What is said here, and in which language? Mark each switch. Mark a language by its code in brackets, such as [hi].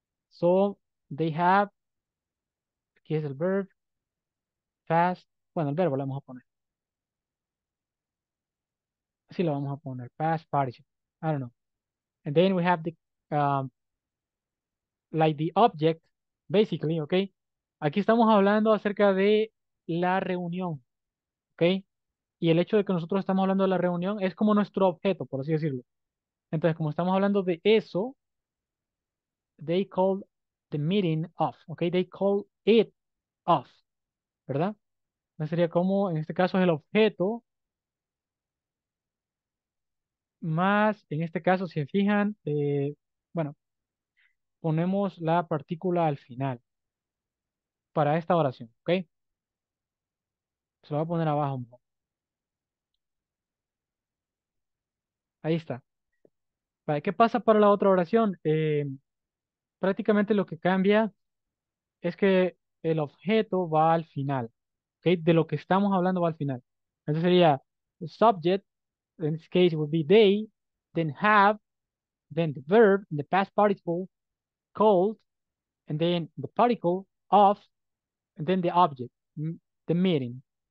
[en] So they have, [es] aquí es el verb, past, bueno, el verbo lo vamos a poner. Así lo vamos a poner, [en] past participle, I don't know. And then we have the, like the object, basically, okay? [es] Aquí estamos hablando acerca de la reunión, okay? Y el hecho de que nosotros estamos hablando de la reunión es como nuestro objeto, por así decirlo. Entonces, como estamos hablando de eso, [en] they called the meeting off, [es] ¿ok? [en] They called it off, ¿verdad? [es] Entonces sería como, en este caso, es el objeto más, en este caso, si se fijan, bueno, ponemos la partícula al final para esta oración, ¿ok? Se lo voy a poner abajo un poco. Ahí está. Vale, ¿qué pasa para la otra oración? Prácticamente lo que cambia es que el objeto va al final. ¿Okay? De lo que estamos hablando va al final. Entonces sería [en] the subject, in this case it would be they, then have, then the verb, the past participle, called, and then the particle, of, and then the object, the meeting.